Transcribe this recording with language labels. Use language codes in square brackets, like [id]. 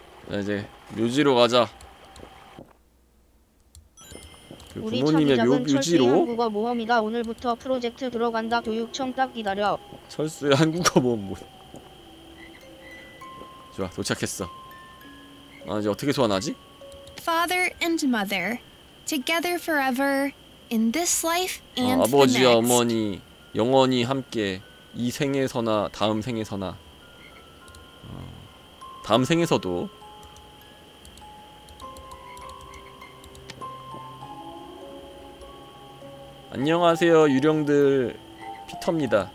[ko] 자 이제 묘지로 가자. 그 부모님의 우리 참이 작은 철수의 한국어 모험이다. 오늘부터 프로젝트 들어간다. 교육청 딱 기다려. 철수의 한국어 모험 뭐. 좋아 도착했어. 아 이제 어떻게 소환하지? [en] Father and mother, together forever, in this life and [ko] 아, 아버지와 [en] the next. [ko] 아버지와 어머니, 영원히 함께, 이 생에서나 다음 생에서나. 다음 생에서도. 안녕하세요, 유령들. 피터입니다.